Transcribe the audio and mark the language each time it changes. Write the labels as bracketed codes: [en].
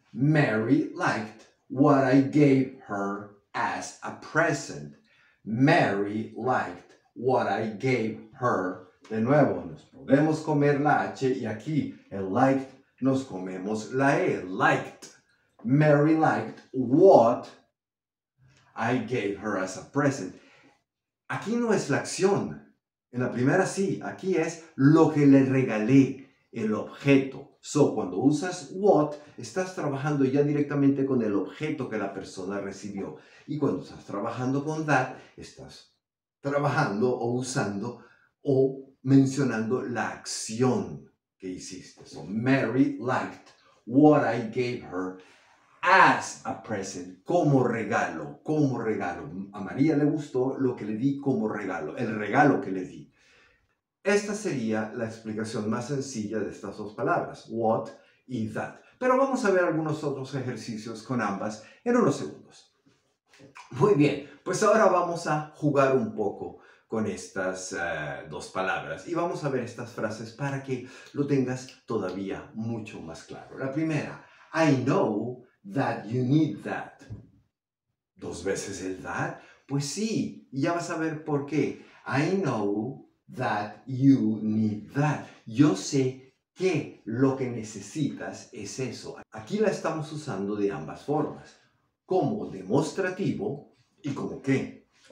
[en] Mary liked what I gave her as a present. Mary liked what I gave her. [es] De nuevo, nos podemos comer la H y aquí el liked nos comemos la E. [en] Liked. Mary liked what I gave her as a present. [es] Aquí no es la acción. En la primera sí. Aquí es lo que le regalé, el objeto. So, cuando usas what, estás trabajando ya directamente con el objeto que la persona recibió. Y cuando estás trabajando con that, estás trabajando o usando o mencionando la acción que hiciste. So, [en] Mary liked what I gave her as a present, [es] como regalo, como regalo. A María le gustó lo que le di como regalo, el regalo que le di. Esta sería la explicación más sencilla de estas dos palabras, what y that. Pero vamos a ver algunos otros ejercicios con ambas en unos segundos. Muy bien, pues ahora vamos a jugar un poco con estas dos palabras y vamos a ver estas frases para que lo tengas todavía mucho más claro. La primera, [en] I know that you need that. [es] ¿Dos veces el that? Pues sí, y ya vas a ver por qué. [en] I know that you need that. [es] Yo sé que lo que necesitas es eso. Aquí la estamos usando de ambas formas, como demostrativo y como qué.